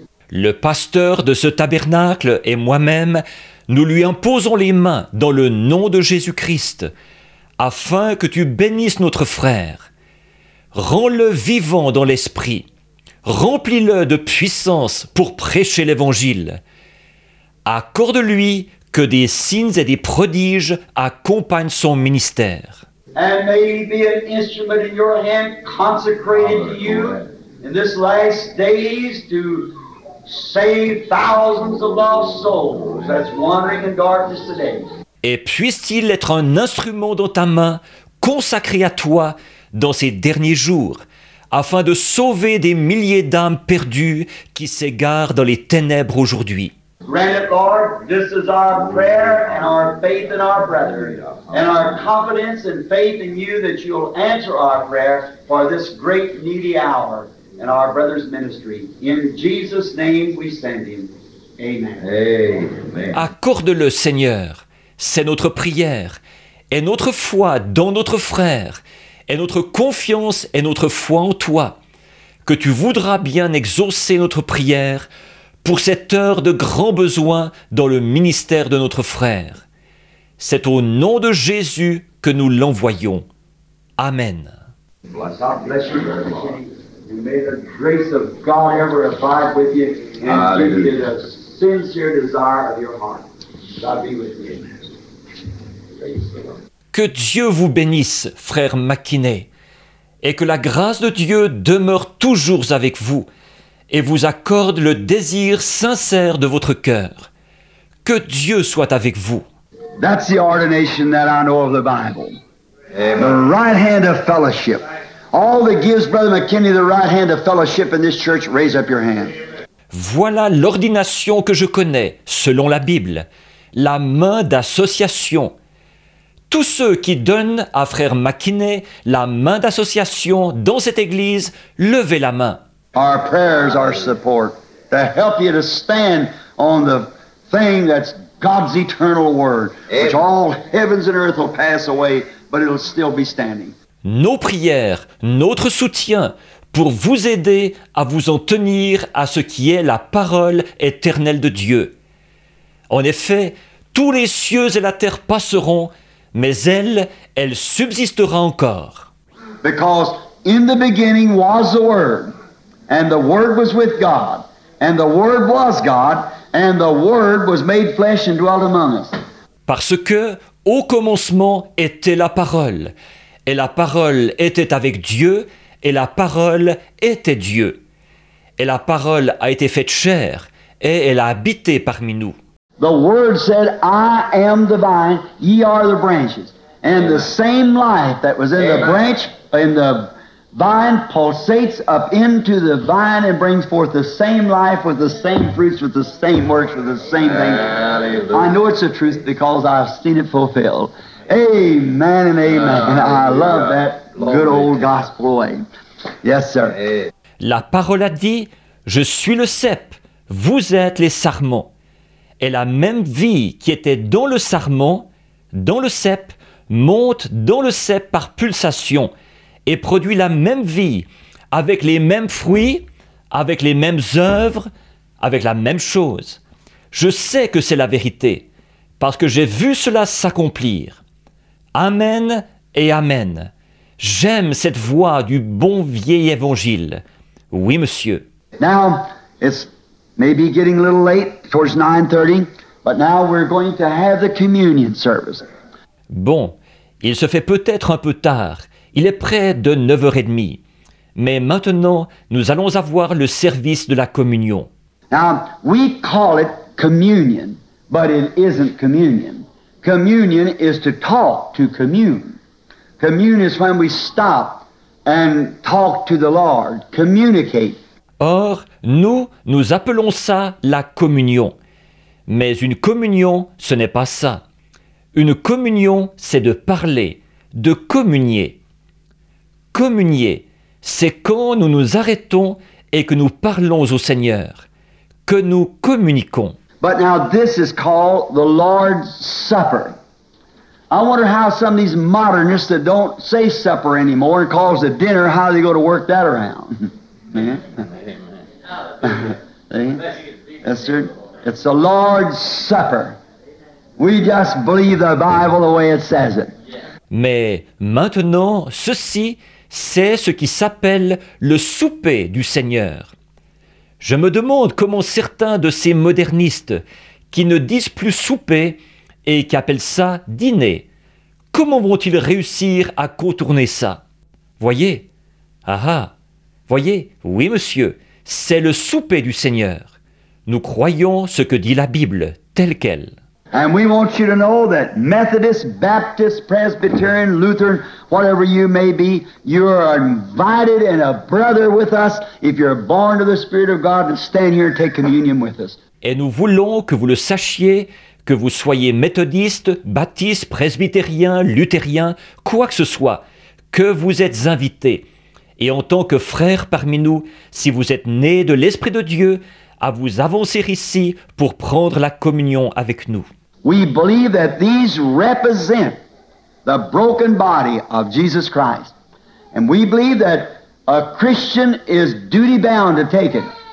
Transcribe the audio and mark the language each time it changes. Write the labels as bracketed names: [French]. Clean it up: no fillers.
[French] Le pasteur de ce tabernacle et moi-même, nous lui imposons les mains dans le nom de Jésus-Christ, afin que tu bénisses notre frère. Rends-le vivant dans l'esprit, remplis-le de puissance pour prêcher l'Évangile. Accorde-lui que des signes et des prodiges accompagnent son ministère. [English] And may he be an instrument in your hand, consecrated to you in this last days to save thousands of lost souls that's wandering in darkness today. [French] Et puisse-t-il être un instrument dans ta main, consacré à toi dans ces derniers jours, afin de sauver des milliers d'âmes perdues qui s'égarent dans les ténèbres aujourd'hui. [English] Grant it, Lord, this is our prayer and our faith in our brethren, and our confidence and faith in you that you'll answer our prayer for this great needy hour in our brother's ministry. In Jesus' name we send him. Amen. Amen. [French] Accorde-le, Seigneur, c'est notre prière, et notre foi dans notre frère, et notre confiance et notre foi en toi, que tu voudras bien exaucer notre prière pour cette heure de grand besoin dans le ministère de notre frère. C'est au nom de Jésus que nous l'envoyons. Amen. [English] Bless you, Lord. And may the grace of God ever abide with you and give you the sincere desire of your heart. God be with you. [French] Que Dieu vous bénisse, frère McKinney, et que la grâce de Dieu demeure toujours avec vous et vous accorde le désir sincère de votre cœur. Que Dieu soit avec vous. [English] That's the ordination that I know of the Bible. Amen. The right hand of fellowship. All that gives Brother McKinney the right hand of fellowship in this church, raise up your hand. [French] Voilà l'ordination que je connais, selon la Bible, la main d'association. Tous ceux qui donnent à frère McKinney la main d'association dans cette église, levez la main. [English] Our prayers are support to help you to stand on the thing that's God's eternal word, which all heavens and earth will pass away, but it'll still be standing. [French] Nos prières, notre soutien pour vous aider à vous en tenir à ce qui est la parole éternelle de Dieu. En effet, tous les cieux et la terre passeront, mais elle subsistera encore. [English] Because in the beginning was the Word, and the Word was with God, and the Word was God, and the Word was made flesh and dwelt among us. [French] Parce que au commencement était la parole, et la parole était avec Dieu, et la parole était Dieu. Et la parole a été faite chair, et elle a habité parmi nous. [English] The Word said, I am the vine, ye are the branches. And the same life that was in the branch, in the vine, pulsates up into the vine and brings forth the same life with the same fruits, with the same works, with the same things. I know it's the truth because I've seen it fulfilled. Amen and amen. And I love that good old gospel way. Yes, sir. [French] La parole a dit, je suis le cep, vous êtes les sarments. Et la même vie qui était dans le sarment, dans le cep, monte dans le cep par pulsation et produit la même vie avec les mêmes fruits, avec les mêmes œuvres, avec la même chose. Je sais que c'est la vérité parce que j'ai vu cela s'accomplir. Amen et amen. J'aime cette voix du bon vieil évangile. Oui, monsieur. [English] Now, it's maybe getting a little late towards 9:30, but now we're going to have the communion service. [French] Bon, il se fait peut-être un peu tard. Il est près de 9h30. Mais maintenant, nous allons avoir le service de la communion. [English] Now, we call it communion, but it isn't communion. Communion is to talk, to commune. Commune is when we stop and talk to the Lord, communicate. [French] Or, nous appelons ça la communion. Mais une communion, ce n'est pas ça. Une communion, c'est de parler, de communier. Communier, c'est quand nous nous arrêtons et que nous parlons au Seigneur, que nous communiquons. [English] But now this is called the Lord's Supper. I wonder how some of these modernists that don't say supper anymore and calls it dinner, how they go to work that around. Yes, sir. It's the Lord's Supper. We just believe the Bible the way it says it. [French] Mais maintenant, ceci, c'est ce qui s'appelle le souper du Seigneur. Je me demande comment certains de ces modernistes qui ne disent plus souper et qui appellent ça dîner, comment vont-ils réussir à contourner ça? Voyez, voyez, oui, monsieur, c'est le souper du Seigneur. Nous croyons ce que dit la Bible, telle qu'elle. [English] And we want you to know that Methodist, Baptist, Presbyterian, Lutheran, whatever you may be, you are invited and a brother with us if you're born of the Spirit of God and stand here and take communion with us. [French] Et nous voulons que vous le sachiez, que vous soyez méthodiste, baptiste, presbytérien, luthérien, quoi que ce soit, que vous êtes invité. Et en tant que frère parmi nous, si vous êtes né de l'Esprit de Dieu, à vous avancer ici pour prendre la communion avec nous. [English] We believe that these represent the broken body of Jesus Christ. And we believe that a Christian is duty bound to take it.